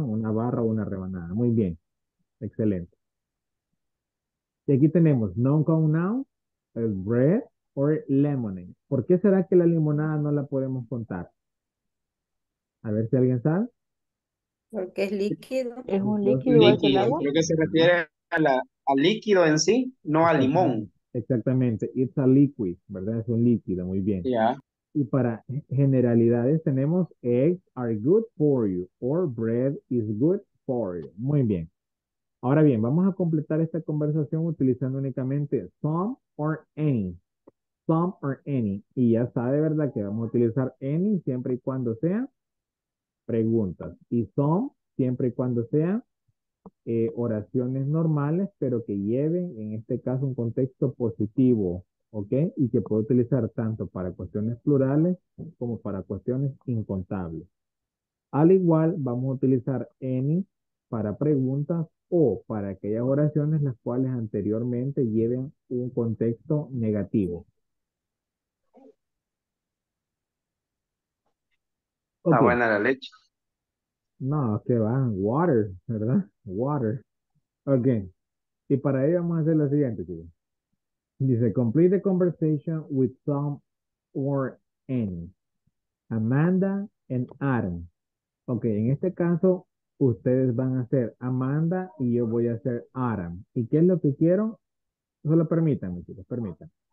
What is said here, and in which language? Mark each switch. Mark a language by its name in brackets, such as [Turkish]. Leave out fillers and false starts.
[Spanish] Una barra o una rebanada. Muy bien, excelente. Y aquí tenemos [English] non-compound noun, bread or lemonade. [Spanish] ¿Por qué será que la limonada no la podemos contar? A ver si alguien sabe. Porque es líquido. Es un líquido igual que el Líquido, agua. creo que se refiere a al líquido en sí, no al limón. Exactamente, [English] it's a liquid, [Spanish] ¿verdad? Es un líquido, muy bien. Ya. Y para generalidades tenemos [English] eggs are good for you [Spanish] or bread is good for you. Muy bien. Ahora bien, vamos a completar esta conversación utilizando únicamente some or any. Some or any. Y ya sabe, ¿verdad? Que vamos a utilizar any siempre y cuando sea preguntas. Y some siempre y cuando sea oraciones normales, pero que lleven en este caso un contexto positivo, ¿ok? Y que puedo utilizar tanto para cuestiones plurales como para cuestiones incontables. Al igual, vamos a utilizar any para preguntas o para aquellas oraciones las cuales anteriormente lleven un contexto negativo. Está Ok. buena la leche. No, que va, water, ¿verdad? Water. Ok. Y para ello vamos a hacer lo siguiente, chicos. [English] Dice, complete the conversation with some or any. Amanda and Aaron. [Spanish] Ok, en este caso, ustedes van a ser Amanda y yo voy a ser Aaron. ¿Y qué es lo que quiero? Solo permítanme, chicos, permítanme.